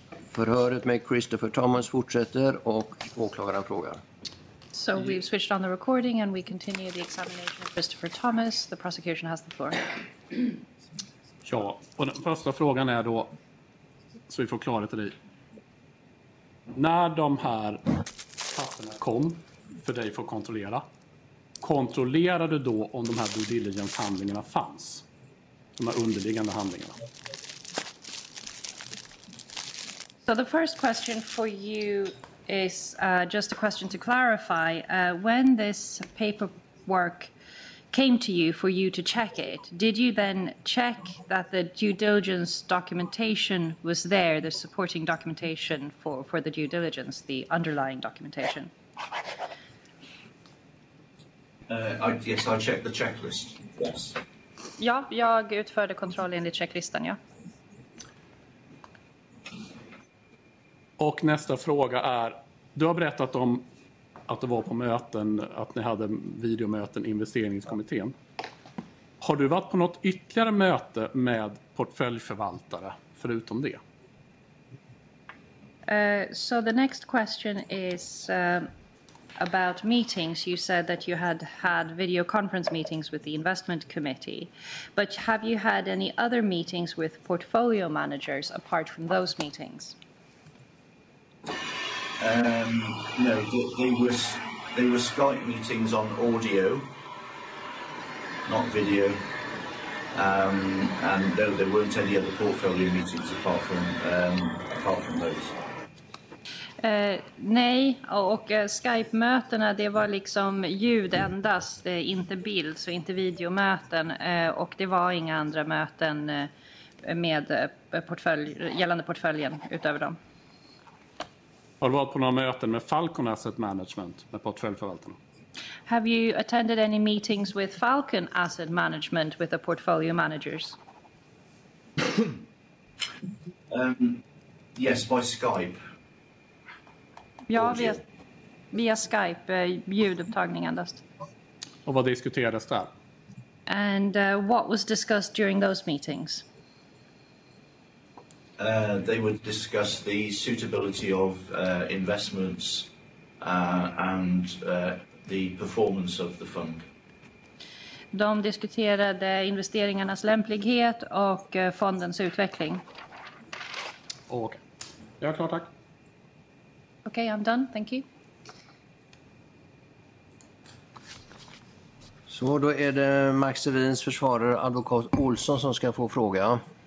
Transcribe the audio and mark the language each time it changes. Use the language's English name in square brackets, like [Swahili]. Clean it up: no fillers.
[Swedish] Förhöret med Christopher Thomas fortsätter och åklagaren frågar. [English] So we've switched on the recording and we continue the examination of Christopher Thomas. The prosecution has the floor. [Swedish] Ja, och den första frågan är då, så vi får klarhet i dig. När de här papperna kom för dig för att kontrollera, kontrollerade du då om de här due diligence handlingarna fanns? De här underliggande handlingarna? [English] So the first question for you is just a question to clarify. When this paperwork came to you for you to check it, did you then check that the due diligence documentation was there, the supporting documentation for the due diligence, the underlying documentation? Yes, I checked the checklist. Yes. [Swedish] Ja, jag utförde kontroll enligt checklistan, ja. Och nästa fråga är, du har berättat om att det var på möten, att ni hade videomöten i investeringskommittén. Har du varit på något ytterligare möte med portföljförvaltare förutom det? [English] So the next question is about meetings. You said that you had had video conference meetings with the investment committee, but have you had any other meetings with portfolio managers apart from those meetings? No, they were Skype meetings on audio, not video, and no, there weren't any other portfolio meetings apart from those. [Swedish] Nej, och Skype-mötena, det var liksom ljud endast, inte bild, så inte videomöten, och det var inga andra möten med gällande portföljen utöver dem. Har du varit på några möten med Falcon Asset Management, med portföljförvaltarna? [English] Have you attended any meetings with Falcon Asset Management with the portfolio managers? Yes, by Skype. [Swedish] Ja, via Skype, ljudupptagning endast. Och vad diskuterades där? [English] And what was discussed during those meetings? They would discuss the suitability of investments and the performance of the fund. [Swedish] De diskuterade investeringarnas lämplighet och fondens utveckling. Okej. Ja, klart, tack. [English] Okay, I'm done. Thank you. [Swedish] Så då är det Max Evins försvarare, advokat Olsson, som ska få fråga.